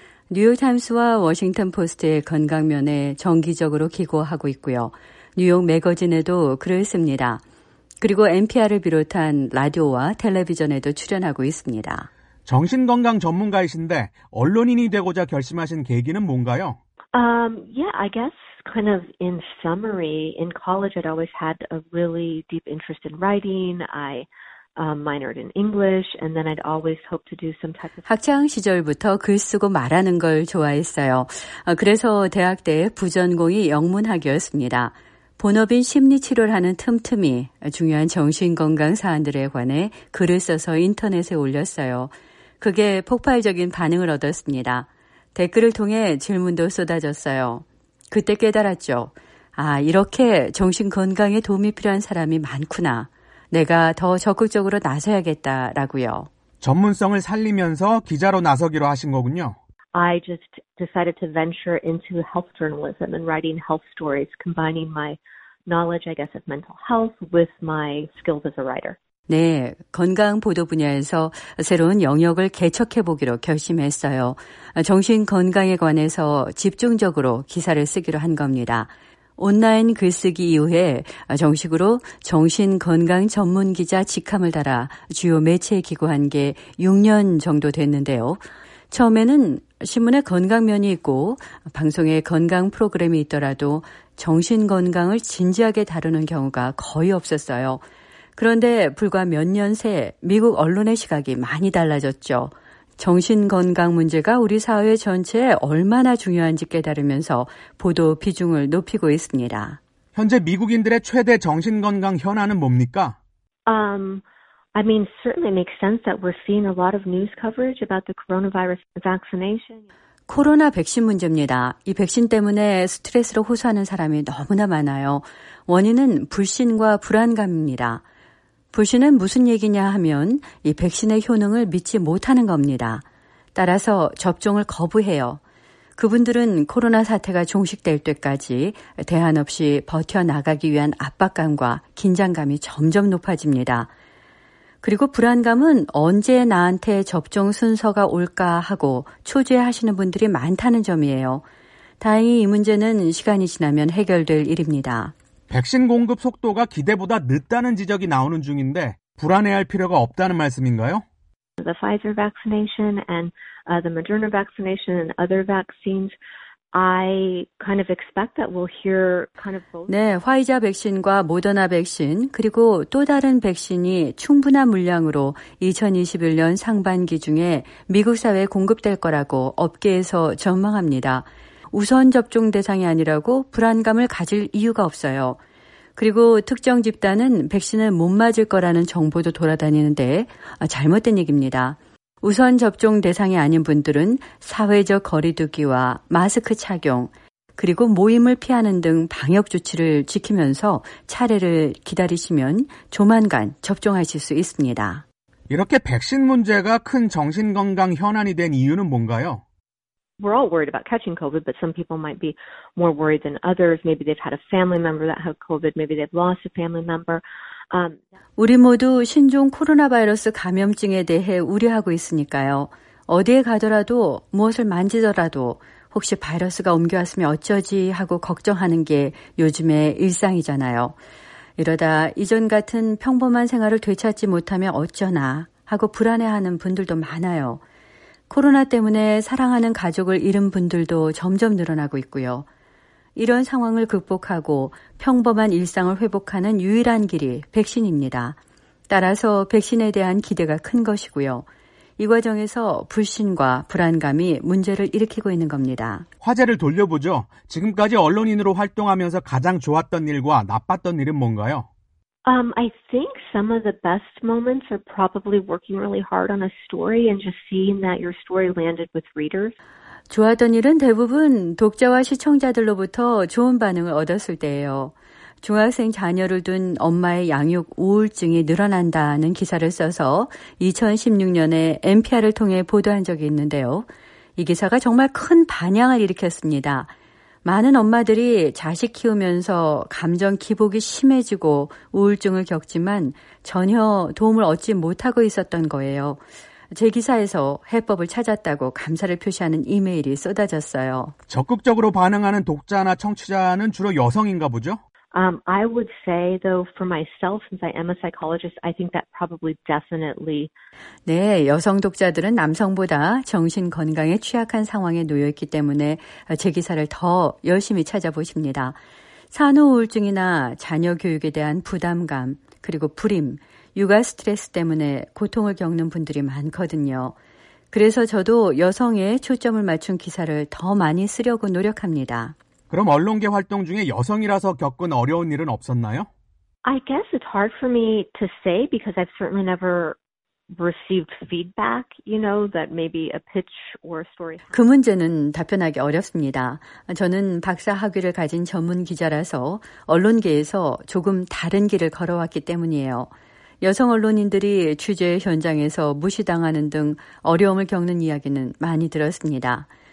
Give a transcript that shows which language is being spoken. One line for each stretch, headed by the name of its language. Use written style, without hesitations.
Korean: 뉴욕타임스와 워싱턴포스트의 건강면에 정기적으로 기고하고 있고요. 뉴욕 매거진에도 글을 씁니다. 그리고 NPR을 비롯한 라디오와 텔레비전에도 출연하고 있습니다. 정신건강 전문가이신데 언론인이 되고자 결심하신 계기는 뭔가요?
English: I guess kind of in summary, in college I'd always had a really deep interest in writing. I minored in English and then I'd always hoped to do some type of
Korean: 학창 시절부터 글 쓰고 말하는 걸 좋아했어요. 그래서 대학 때 부전공이 영문학이었습니다. 본업인 심리치료를 하는 틈틈이 중요한 정신건강 사안들에 관해 글을 써서 인터넷에 올렸어요. 그게 폭발적인 반응을 얻었습니다. 댓글을 통해 질문도 쏟아졌어요. 그때 깨달았죠. 아, 이렇게 정신건강에 도움이 필요한 사람이 많구나. 내가 더 적극적으로 나서야겠다라고요. 전문성을 살리면서 기자로 나서기로 하신 거군요.
English: I just decided to venture into health journalism and writing health stories, combining my knowledge, I guess, of mental health with my skills as a writer.
Korean: 네, 건강 보도 분야에서 새로운 영역을 개척해보기로 결심했어요. 정신 건강에 관해서 집중적으로 기사를 쓰기로 한 겁니다. 온라인 글쓰기 이후에 정식으로 정신 건강 전문 기자 직함을 달아 주요 매체에 기고한 게 6년 정도 됐는데요. 처음에는 신문에 건강면이 있고 방송에 건강 프로그램이 있더라도 정신 건강을 진지하게 다루는 경우가 거의 없었어요. 그런데 불과 몇 년 새 미국 언론의 시각이 많이 달라졌죠. 정신건강 문제가 우리 사회 전체에 얼마나 중요한지 깨달으면서 보도 비중을 높이고 있습니다. 현재 미국인들의 최대 정신건강 현안은 뭡니까?
English: Certainly makes sense that we're seeing a lot of news coverage about the coronavirus vaccination.
Korean: 코로나 백신 문제입니다. 이 백신 때문에 스트레스로 호소하는 사람이 너무나 많아요. 원인은 불신과 불안감입니다. 불신은 무슨 얘기냐 하면 이 백신의 효능을 믿지 못하는 겁니다. 따라서 접종을 거부해요. 그분들은 코로나 사태가 종식될 때까지 대안 없이 버텨나가기 위한 압박감과 긴장감이 점점 높아집니다. 그리고 불안감은 언제 나한테 접종 순서가 올까 하고 초조해하시는 분들이 많다는 점이에요. 다행히 이 문제는 시간이 지나면 해결될 일입니다. 백신 공급 속도가 기대보다 늦다는 지적이 나오는 중인데 불안해할 필요가 없다는 말씀인가요?
English: The Pfizer vaccination and the Moderna vaccination and other vaccines, I kind of expect that we'll hear kind of both.
Korean: 네, 화이자 백신과 모더나 백신 그리고 또 다른 백신이 충분한 물량으로 2021년 상반기 중에 미국 사회에 공급될 거라고 업계에서 전망합니다. 우선 접종 대상이 아니라고 불안감을 가질 이유가 없어요. 그리고 특정 집단은 백신을 못 맞을 거라는 정보도 돌아다니는데 잘못된 얘기입니다. 우선 접종 대상이 아닌 분들은 사회적 거리두기와 마스크 착용, 그리고 모임을 피하는 등 방역 조치를 지키면서 차례를 기다리시면 조만간 접종하실 수 있습니다. 이렇게 백신 문제가 큰 정신건강 현안이 된 이유는 뭔가요?
English: We're all worried about catching COVID, but some people might be more worried than others. Maybe they've had a family member that had COVID. Maybe they've lost a family member.
Korean: 우리 모두 신종 코로나 바이러스 감염증에 대해 우려하고 있으니까요. 어디에 가더라도, 무엇을 만지더라도, 혹시 바이러스가 옮겨왔으면 어쩌지 하고 걱정하는 게 요즘의 일상이잖아요. 이러다 이전 같은 평범한 생활을 되찾지 못하면 어쩌나 하고 불안해하는 분들도 많아요. 코로나 때문에 사랑하는 가족을 잃은 분들도 점점 늘어나고 있고요. 이런 상황을 극복하고 평범한 일상을 회복하는 유일한 길이 백신입니다. 따라서 백신에 대한 기대가 큰 것이고요. 이 과정에서 불신과 불안감이 문제를 일으키고 있는 겁니다. 화제를 돌려보죠. 지금까지 언론인으로 활동하면서 가장 좋았던 일과 나빴던 일은 뭔가요?
English: I think some of the best moments are probably working really hard on a story and just seeing that your story landed with readers.
Korean: 좋았던 일은 대부분 독자와 시청자들로부터 좋은 반응을 얻었을 때예요. 중학생 자녀를 둔 엄마의 양육 우울증이 늘어난다는 기사를 써서 2016년에 NPR을 통해 보도한 적이 있는데요. 이 기사가 정말 큰 반향을 일으켰습니다. 많은 엄마들이 자식 키우면서 감정 기복이 심해지고 우울증을 겪지만 전혀 도움을 얻지 못하고 있었던 거예요. 제 기사에서 해법을 찾았다고 감사를 표시하는 이메일이 쏟아졌어요. 적극적으로 반응하는 독자나 청취자는 주로 여성인가 보죠?
English: I would say though for myself since I am a psychologist, I think that probably definitely
Korean: 네, 여성 독자들은 남성보다 정신 건강에 취약한 상황에 놓여 있기 때문에 제 기사를 더 열심히 찾아보십니다. 산후 우울증이나 자녀 교육에 대한 부담감, 그리고 불임, 육아 스트레스 때문에 고통을 겪는 분들이 많거든요. 그래서 저도 여성에 초점을 맞춘 기사를 더 많이 쓰려고 노력합니다. 그럼 언론계 활동 중에 여성이라서 겪은 어려운 일은 없었나요?
English: I guess it's hard for me to say because I've certainly never received feedback, you know, that maybe a pitch or a story.
Korean: 그 문제는 답변하기 어렵습니다. 저는 박사 학위를 가진 전문 기자라서 언론계에서 조금 다른 길을 걸어왔기 때문이에요. 여성 언론인들이 취재 현장에서 무시당하는 등 어려움을 겪는 이야기는 많이 들었습니다.